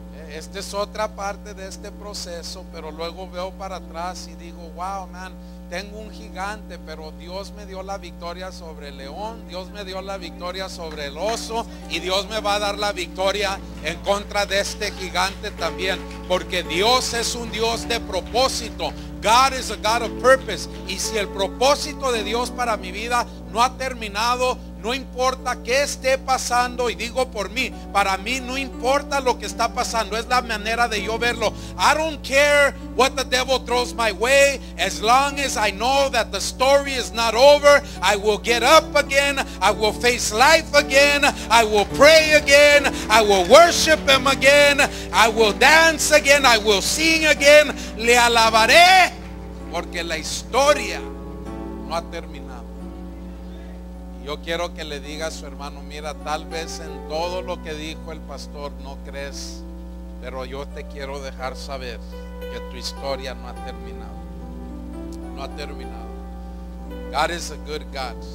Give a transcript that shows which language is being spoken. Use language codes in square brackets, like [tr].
[es] Esta es otra parte de este proceso, pero luego veo para atrás y digo, wow, man, tengo un gigante, pero Dios me dio la victoria sobre el león, Dios me dio la victoria sobre el oso, y Dios me va a dar la victoria en contra de este gigante también, porque Dios es un Dios de propósito. [en] God is a God of purpose. [es] Y si el propósito de Dios para mi vida no ha terminado, no importa qué esté pasando, y digo por mí, para mí no importa lo que está pasando, es la manera de yo verlo. [en] I don't care what the devil throws my way, as long as I know that the story is not over, I will get up again, I will face life again, I will pray again, I will worship him again, I will dance again, I will sing again, [es] le alabaré, porque la historia no ha terminado. Yo quiero que le diga a su hermano, mira, tal vez en todo lo que dijo el pastor no crees, pero yo te quiero dejar saber que tu historia no ha terminado. No ha terminado. [en] God is a good God.